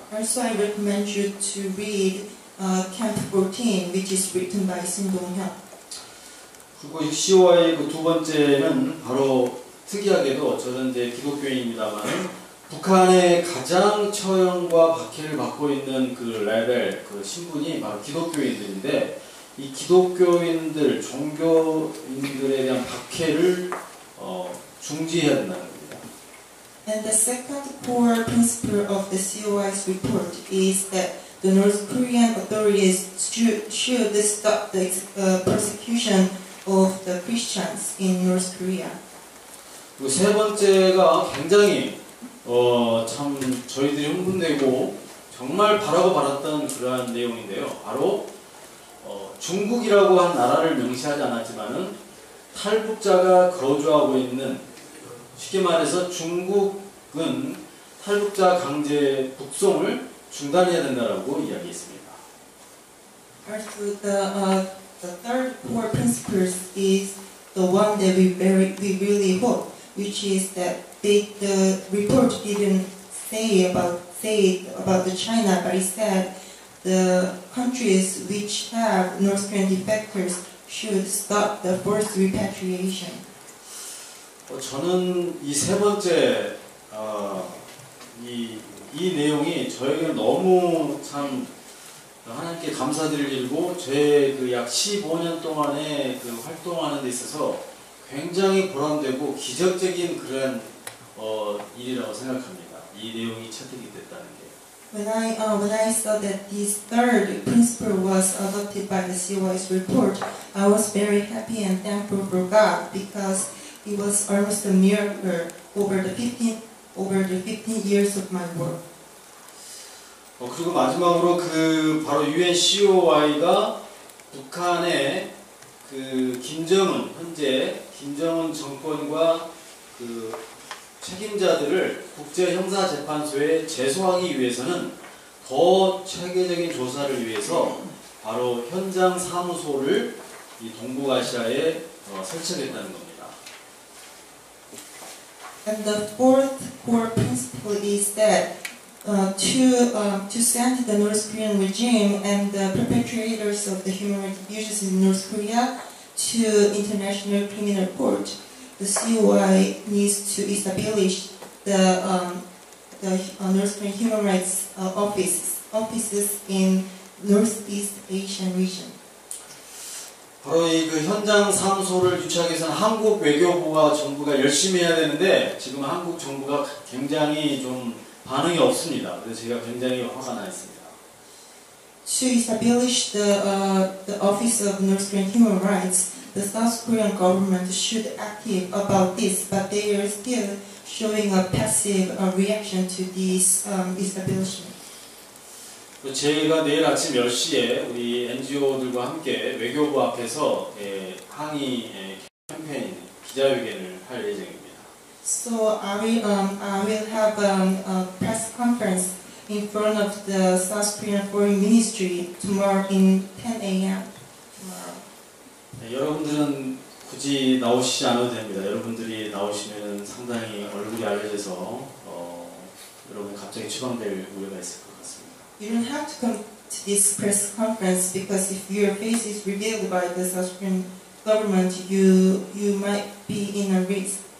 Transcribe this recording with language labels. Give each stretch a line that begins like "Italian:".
English: Also, I recommend you to read Camp 14, which is written by 신동혁.
Korean: 그리고 COI의 그 두 번째는 바로 특이하게도 저는 이제 기독교인입니다만 북한의 가장 처형과 박해를 받고 있는 그 레벨, 그 신분이 바로 기독교인들인데 이 기독교인들, 종교인들에 대한 박해를 중지해야 된다는 겁니다.
English: And the second core principle of the COI's report is that the North Korean authorities should stop the persecution of the Christians in North Korea.
Korean: 세 번째가 굉장히 참 저희들이 흥분되고 정말 바라고 바랐던 그러한 내용인데요. 바로 중국이라고 한 나라를 명시하지 않았지만은 탈북자가 거주하고 있는 쉽게 말해서 중국은 탈북자 강제 북송을 중단해야 된다라고 이야기했습니다. Also, the third core principles is the one that we really hope, which is that the report didn't say about the China, but it said the countries which have North Korean defectors should stop the forced repatriation. 저는 이 세 번째 이 내용이 저에게 너무 참 하나님께 감사드릴 일이고 제 그 약 15년 동안에 그 활동하는 데 있어서 굉장히 보람되고 기적적인 그런 일이라고 생각합니다. 이 내용이 채택이 됐다는 게.
English: When I saw that this third principle was adopted by the COI's report, I was very happy and thankful for God because it was almost a miracle over the 15 years of my work.
Korean: 그리고 마지막으로 바로 UN COI가 북한의 김정은 정권과 책임자들을 국제형사재판소에 제소하기 위해서는 더 체계적인 조사를 위해서 바로 현장 사무소를 이 동북아시아에 설치했다는 겁니다.
English: And the fourth core principle is that to send the North Korean regime and the perpetrators of the human rights abuses in North Korea to international criminal court. The COI needs to establish the North Korean human rights offices in Northeast Asian region.
Korean: 바로 이 현장 사무소를 유치하기 위해서는 한국 외교부와 정부가 열심히 해야 되는데 지금 한국 정부가 굉장히 좀 반응이 없습니다. 그래서 제가 굉장히 화가 나 있습니다.
English: To establish the office of North Korean human rights, the South Korean government should active about this, but they are still showing a passive reaction to this establishment.
Korean: 제가 내일 아침 10시에 우리 NGO들과 함께 외교부 앞에서 항의 캠페인 기자회견을 할 예정입니다.
English: So I will have a press conference in front of the South Korean Foreign Ministry tomorrow in 10 a.m.
Korean: 여러분들은 굳이 나오시지 않아도 됩니다. 여러분들이 나오시면 상당히 얼굴이 알려져서 여러분 갑자기 추방될 우려가 있을 것 같습니다.
English: You don't have to come to this press conference because if your face is revealed by the South Korean government, you might be in a risk.